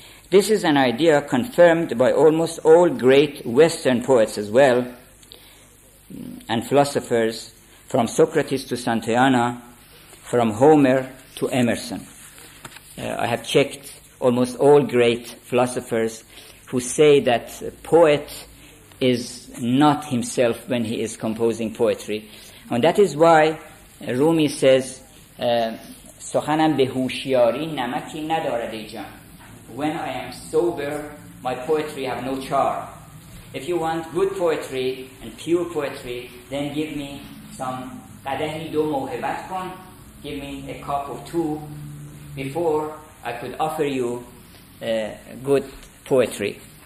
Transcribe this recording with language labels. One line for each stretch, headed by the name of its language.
English: This is an idea confirmed by almost all great Western poets as well, and philosophers, from Socrates to Santayana, from Homer to Emerson. I have checked almost all great philosophers who say that a poet is not himself when he is composing poetry. And that is why Rumi says,
Persian: سخنم به هوشیاری نمکی ندارد ای جان.
English: When I am sober, my poetry have no charm. If you want good poetry and pure poetry, then give me some
Persian: قدهی دو موهبت کن.
English: Give me a cup of two before I could offer you good poetry.